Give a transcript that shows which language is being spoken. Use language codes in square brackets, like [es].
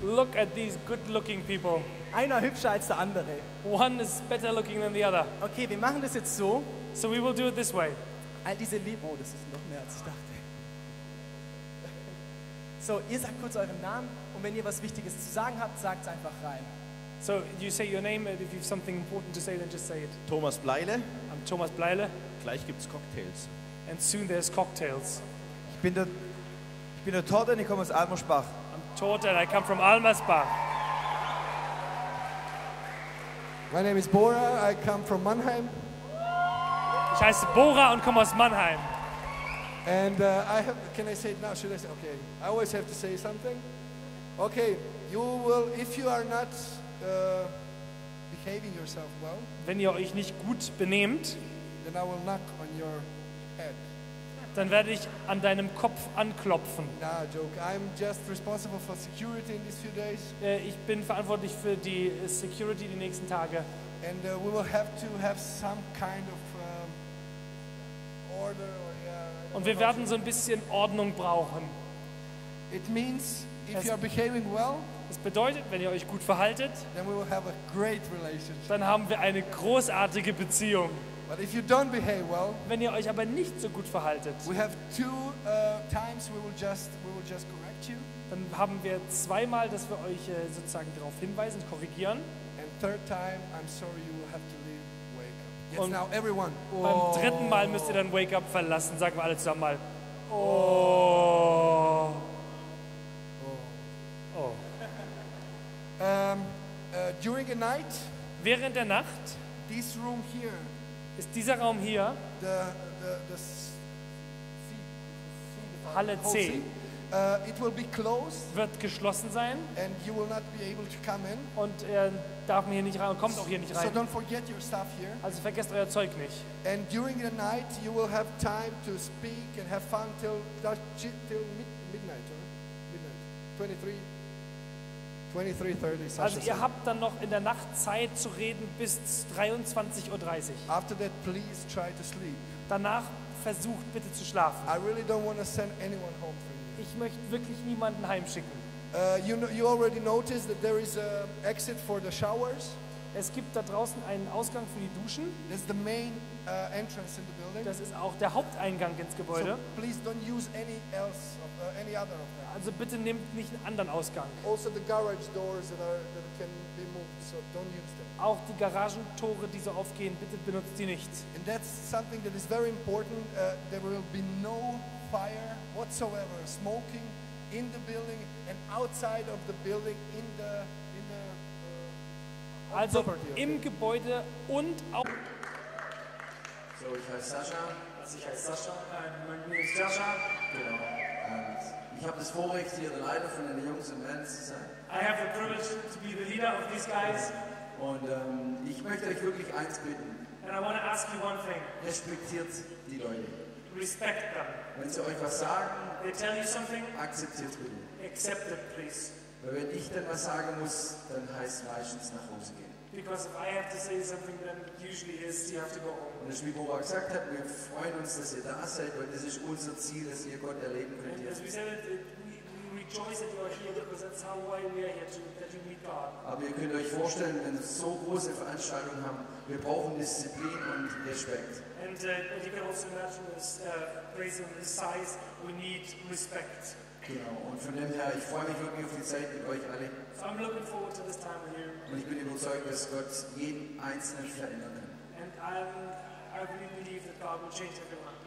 [en] Look at these good looking people. [de] Einer hübscher als der andere. [en] One is better looking than the other. [de] Okay, wir machen das jetzt so. [en] So we will do it this way. [de] All diese Lieben, oh, das ist noch mehr als ich dachte. So, ihr sagt kurz euren Namen und wenn ihr was Wichtiges zu sagen habt, sagt es einfach rein. [en] So you say your name and if you have something important to say, then just say it. [de] Thomas Bleile. [en] I'm Thomas Bleile. [de] Gleich gibt's Cocktails. [en] And soon there's cocktails. [de] Ich bin der Torte und ich komme aus Almersbach. [en] I'm Torte and I come from Almersbach. My name is Bora, I come from Mannheim. [de] Ich heiße Bora und komme aus Mannheim. [en] And I have, can I say it now? Should I say, okay. I always have to say something. Okay, you will, if you are not behaving yourself well. [de] Wenn ihr euch nicht gut benehmt. [en] Then I will knock on your head. [de] Dann werde ich an deinem Kopf anklopfen. [en] No, joke. I'm just responsible for security in these few days. [de] Ich bin verantwortlich für die Security die nächsten Tage. [en] And we will have to have some kind of order or [de] und wir werden so ein bisschen Ordnung brauchen. [en] It means if you are behaving well. [de] Es bedeutet, wenn ihr euch gut verhaltet, [en] then we will have a great relationship. [de] Dann haben wir eine großartige Beziehung. [en] But if you don't behave well, [de] wenn ihr euch aber nicht so gut verhaltet, [en] we have two times we will just correct you. [de] Dann haben wir zweimal, dass wir euch sozusagen darauf hinweisen, korrigieren. [en] And third time, I'm sorry, you will have to leave. Wake up. Yes, und now everyone. Oh. [de] Beim dritten Mal müsst ihr dann Wake Up verlassen. Sagen wir alle zusammen mal. Oh. Oh. Oh. [en] During a night. [de] Während der Nacht. [en] This room here. [de] Ist dieser Raum hier Halle C [en] it will be closed, [de] wird geschlossen sein [en] and you will not be able to come in. [de] Und er darf mir hier nicht rein und kommt auch hier nicht rein. [en] So don't forget your stuff here. [de] Also vergesst euer Zeug nicht. [en] And during the night you will have time to speak and have fun till midnight, oder? Midnight. 23:30, [de] also ihr habt dann noch in der Nacht Zeit zu reden bis 23:30 Uhr. [en] After that, please try to sleep. [de] Danach versucht bitte zu schlafen. [en] I really don't want to send anyone home from you. [de] Ich möchte wirklich niemanden heimschicken. [en] You already noticed that there is a exit for the showers. [de] Es gibt da draußen einen Ausgang für die Duschen. [en] That's the main entrance in the building. [de] Das ist auch der Haupteingang ins Gebäude. [en] So please don't use any else of, any other of that. [de] Also bitte nehmt nicht einen anderen Ausgang. [en] Also the garage doors that can be moved, so don't use them. [de] auch die Garagentore, die so aufgehen, bitte benutzt die nicht. [en] And that's something that is very important. There will be no fire whatsoever, smoking in the building and outside of the building in the also property, okay. [de] Im Gebäude und auch. So, ich heiße Sascha. Ich heiße Sascha. Mein Name ist Sascha. Genau. Und ich habe das Vorrecht, hier der Leiter von den Jungs im Band zu sein. [en] I have the privilege to be the leader of these guys. [de] Und ich möchte euch wirklich eins bitten. [en] And I want to ask you one thing. [de] Respektiert die Leute. [en] Respect them. [de] Wenn sie euch was sagen, [en] they tell you something, [de] akzeptiert bitte. [en] Accept it, please. [de] Weil wenn ich dann was sagen muss, dann heißt es meistens nach Hause gehen. [en] Because if I have to say something, then usually is you have to go home. [de] Und wie Bora gesagt hat, wir freuen uns, dass ihr da seid, weil das ist unser Ziel, dass ihr Gott erleben könnt. [en] And as we said, we rejoice that you are here, because that's how why we are here, that you meet God. [de] Aber ihr könnt euch vorstellen, wenn wir so große Veranstaltungen haben, wir brauchen Disziplin und Respekt. [en] And you can also imagine this, based on this size, we need respect. [de] Genau, und von dem her, ich freue mich wirklich auf die Zeit mit euch alle. [en] So I'm looking forward to this time with you. [de] Und ich bin überzeugt, dass Gott jeden Einzelnen verändern kann. [en] And I really believe that God will change everyone.